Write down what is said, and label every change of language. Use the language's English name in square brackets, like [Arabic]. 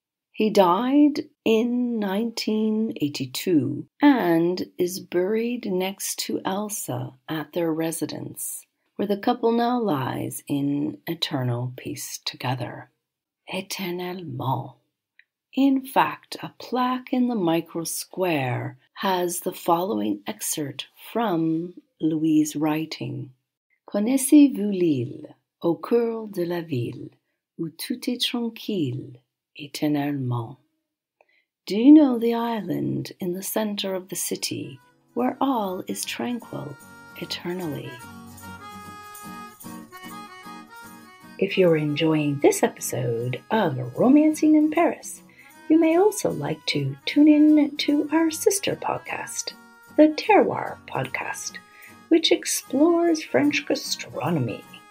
[English] He died in 1982 and is buried next to Elsa at their residence, where the couple now lies in eternal peace together. Éternellement. In fact, a plaque in the micro square has the following excerpt from Louis' writing. [French] Connaissez-vous l'île au cœur de la ville où tout est tranquille éternellement? [English] Do you know the island in the center of the city where all is tranquil eternally? If you're enjoying this episode of Romancing in Paris, you may also like to tune in to our sister podcast, the Terroir Podcast, which explores French gastronomy.